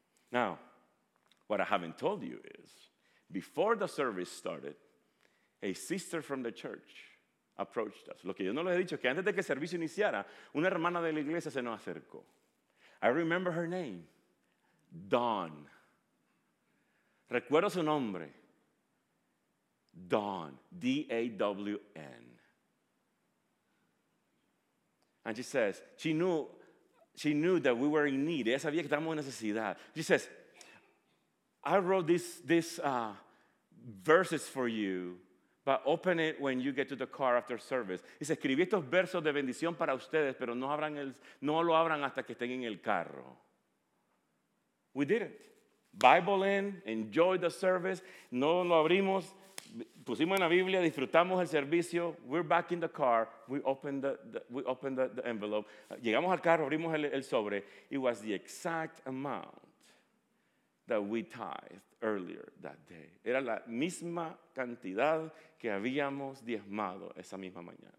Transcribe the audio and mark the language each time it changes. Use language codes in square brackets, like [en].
[en] Now, what I haven't told you is, before the service started, a sister from the church approached us. [es] Lo que yo no les he dicho es que antes de que el servicio iniciara, una hermana de la iglesia se nos acercó. [en] I remember her name, Dawn. [es] Recuerdo su nombre, Dawn, D-A-W-N. [en] And she says, she knew that we were in need. [es] Ella sabía que estábamos en necesidad. [en] She says, I wrote these verses for you, But open it when you get to the car after service. [es] Dice, escribí estos versos de bendición para ustedes, pero no lo abran hasta que estén en el carro. [en] We did it. Bible in, enjoy the service. [es] No lo abrimos, pusimos en la Biblia, disfrutamos el servicio. [en] We're back in the car. We opened the envelope. [es] Llegamos al carro, abrimos el sobre. [en] It was the exact amount that we tithed earlier that day. [es] Era la misma cantidad que habíamos diezmado esa misma mañana.